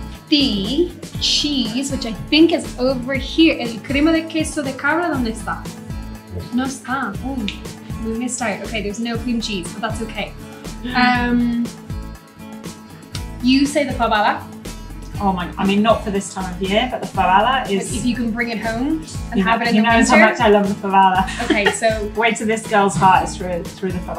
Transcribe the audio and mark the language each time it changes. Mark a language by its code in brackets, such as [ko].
[en] The cheese, which I think is over here. [es] El crema de queso de cabra, ¿dónde está? No está. [en] Oh, we missed out. Okay, there's no cream cheese, but that's okay. You say the fabada. Oh my, I mean, not for this time of year, but the fabada is... If you can bring it home and you have it in you the winter. You know how much I love the fabada. Okay, so... Wait till this girl's heart is through the fabada.